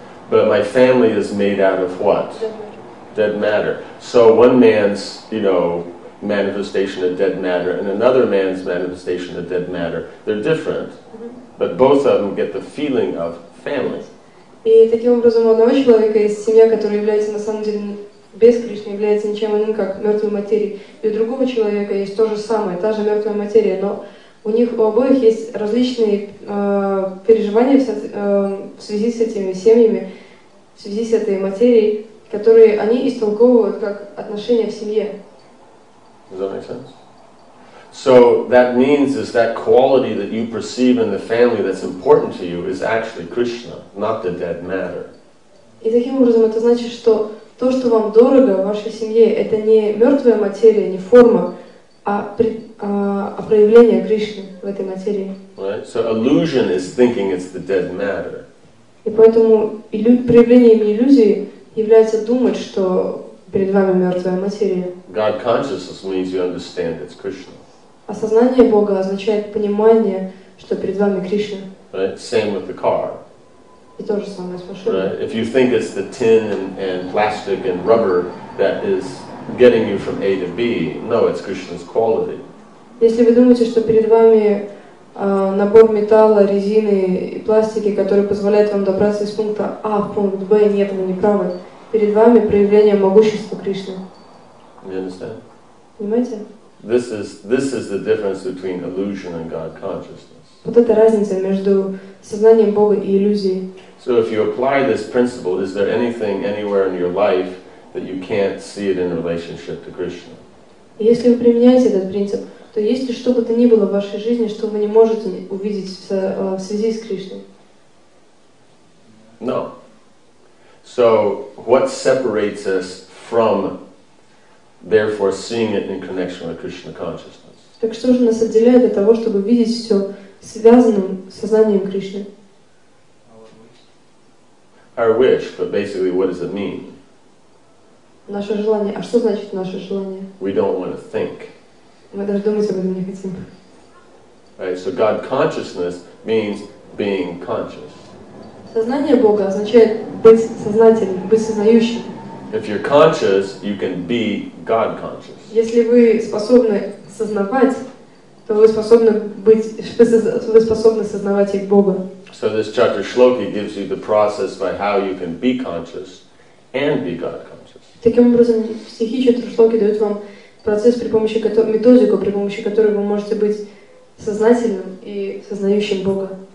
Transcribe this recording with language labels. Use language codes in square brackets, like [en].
[en] But my family is made out of what? Dead matter. So one man's, manifestation of dead matter and another man's manifestation of dead matter, they're different. But both of them get the feeling of family. [ru] И таким образом у одного человека есть семья, которая является на самом деле без Кришны, является ничем иным, как мертвой материей. И у другого человека есть то же самое, та же мертвая материя, но у них у обоих есть различные переживания в связи с этими семьями, в связи с этой материей, которые они истолковывают как отношения в семье. [en] Does that make sense? So that means is that quality that you perceive in the family that's important to you is actually Krishna, not the dead matter. [ru] И таким образом это значит, что то, что вам дорого в вашей семье, это не мертвая материя, не форма, а проявление Кришны в этой материи. [en] Right? So illusion is thinking it's the dead matter. [ru] И поэтому проявлением иллюзии является думать, что перед вами мертвая материя. [en] God consciousness means you understand it's Krishna. [ru] Осознание Бога означает понимание, что перед вами Кришна. [en] Right? Same with the car. [ru] И то же самое с машиной. [en] Right? If you think it's the tin and plastic and rubber that is getting you from A to B, no, it's Krishna's quality. [ru] Если вы думаете, что перед вами набор металла, резины и пластики, который позволяет вам добраться из пункта А в пункт Б, нет, вы не правы. Перед вами проявление могущества Кришны. [en] You understand? [ru] Понимаете? [en] This is the difference between illusion and God consciousness. [ru] Вот это разница между сознанием Бога и иллюзией. [en] So if you apply this principle, is there anything anywhere in your life that you can't see it in relationship to Krishna? [ru] Если вы применяете этот принцип, то есть ли что бы то ни было в вашей жизни, что вы не можете увидеть в связи с Кришной? [en] No. So what separates us from therefore seeing it in connection with Krishna consciousness? [ru] Так что же нас отделяет от того, чтобы видеть все связанным сознанием Кришны? [en] Our wish, but basically what does it mean? [ru] Наше желание. А что значит наше желание? [en] We don't want to think. [ru] Мы даже думать об этом не хотим. [en] Right, so God consciousness means being conscious. [ru] Сознание Бога означает быть сознательным, быть сознающим. [en] If you're conscious, you can be God conscious. [ru] Если вы способны сознавать, то вы способны быть, вы способны сознавать и Бога. [en] So this chapter shloki gives you the process by how you can be conscious and be God conscious. [ru] Таким образом, стихи четвертой шлоки дают вам процесс, при помощи которого, методику, при помощи которой вы можете быть сознательным и сознающим Бога.